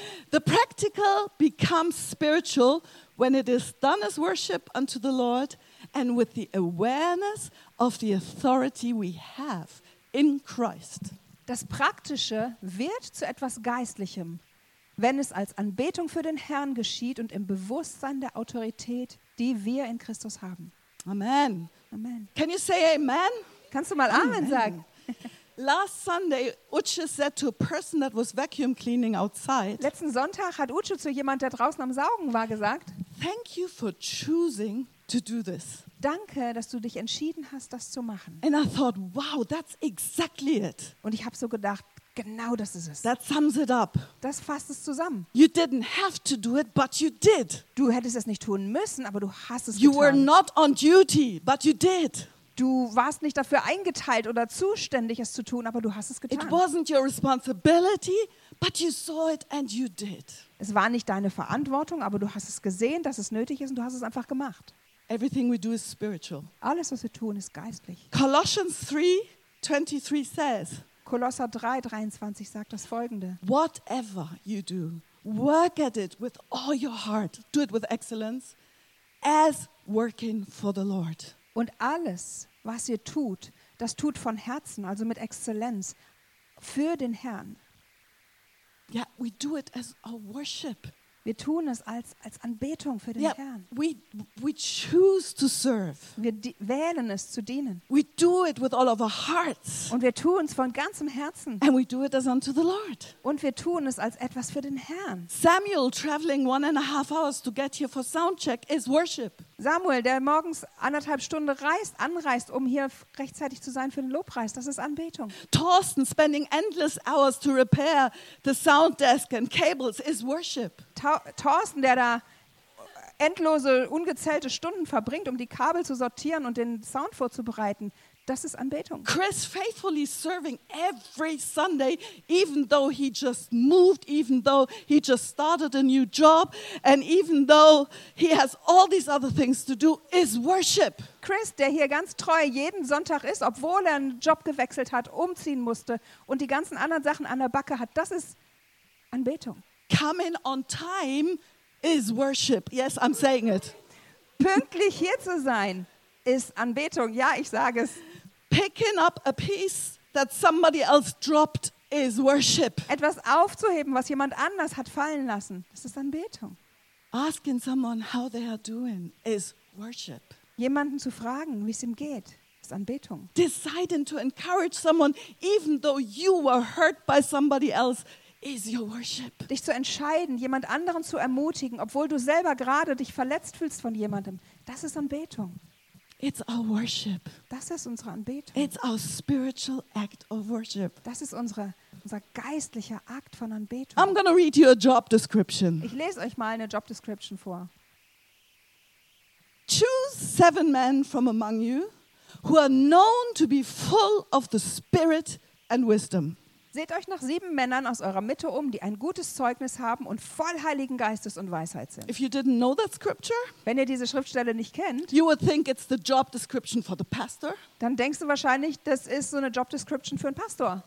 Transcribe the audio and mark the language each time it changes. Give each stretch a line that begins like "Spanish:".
English: The practical becomes spiritual when it is done as worship unto the Lord and with the awareness of the authority we have in Christ.
German: Das Praktische wird zu etwas Geistlichem, wenn es als Anbetung für den Herrn geschieht und im Bewusstsein der Autorität, die wir in Christus haben.
English: Amen.
German: Amen.
English: Can you say amen?
German: Kannst du mal Amen, amen sagen?
English: Last Sunday, Uche said to a person that was vacuum cleaning outside.
German: Letzten Sonntag hat Uche zu jemand, der draußen am Saugen war, gesagt:
English: Thank you for choosing to do this.
German: Danke, dass du dich entschieden hast, das zu machen.
English: And I thought, wow, that's exactly it.
German: Und ich habe so gedacht, genau das ist es.
English: That sums it up.
German: Das fasst es zusammen.
English: You didn't have to do it, but you did.
German: Du hättest es nicht tun müssen, aber du hast es
English: you
German: getan.
English: You were not on duty, but you did.
German: Du warst nicht dafür eingeteilt oder zuständig, es zu tun, aber du hast es getan.
English: It wasn't your responsibility, but you saw it and you did.
German: Es war nicht deine Verantwortung, aber du hast es gesehen, dass es nötig ist und du hast es einfach gemacht.
English: Everything we do is spiritual.
German: Alles, was wir tun, ist geistlich.
English: Colossians 3:23 says.
German: Kolosser 3:23 sagt das Folgende.
English: Whatever you do, work at it with all your heart. Do it with excellence, as working for the Lord.
German: Und alles, was ihr tut, das tut von Herzen, also mit Exzellenz, für den Herrn.
English: Yeah, we do it as our worship.
German: Wir tun es als Anbetung für den Herrn.
English: We choose to serve.
German: Wir wählen es zu dienen.
English: We do it with all of our hearts.
German: Und wir tun es von ganzem Herzen.
English: And we do it as unto the Lord.
German: Und wir tun es als etwas für den Herrn.
English: Samuel traveling 1.5 hours to get here for soundcheck is worship.
German: Samuel, der morgens 1.5 Stunden anreist, um hier rechtzeitig zu sein für den Lobpreis, das ist Anbetung.
English: Thorsten spending endless hours to repair the sound desk and cables is worship.
German: Thorsten, der da endlose, ungezählte Stunden verbringt, um die Kabel zu sortieren und den Sound vorzubereiten, das ist Anbetung.
English: Chris faithfully serving every Sunday, even though he just moved, even though he just started a new job, and even though he has all these other things to do, is worship.
German: Chris, der hier ganz treu jeden Sonntag ist, obwohl er einen Job gewechselt hat, umziehen musste und die ganzen anderen Sachen an der Backe hat, das ist Anbetung.
English: Coming on time is worship. Yes, I'm saying it.
German: Pünktlich hier zu sein ist Anbetung. Ja, ich sage es.
English: Picking up a piece that somebody else dropped is worship.
German: Etwas aufzuheben, was jemand anders hat fallen lassen, das ist Anbetung.
English: Asking someone how they are doing is worship.
German: Jemanden zu fragen, wie es ihm geht, ist Anbetung.
English: Deciding to encourage someone even though you were hurt by somebody else is your worship.
German: Dich zu entscheiden, jemand anderen zu ermutigen, obwohl du selber gerade dich verletzt fühlst von jemandem, das ist Anbetung.
English: It's our worship.
German: Das ist unsere Anbetung.
English: It's our spiritual act of worship.
German: Das ist unser geistlicher Akt von Anbetung.
English: I'm gonna read you a job description.
German: Ich lese euch mal eine Job Description vor.
English: Choose 7 men from among you who are known to be full of the Spirit and wisdom.
German: Seht euch nach 7 Männern aus eurer Mitte um, die ein gutes Zeugnis haben und voll Heiligen Geistes und Weisheit sind.
English: If you didn't know that scripture,
German: wenn ihr diese Schriftstelle nicht kennt,
English: you would think it's the job description for the pastor.
German: Dann denkst du wahrscheinlich, das ist so eine Job Description für einen Pastor.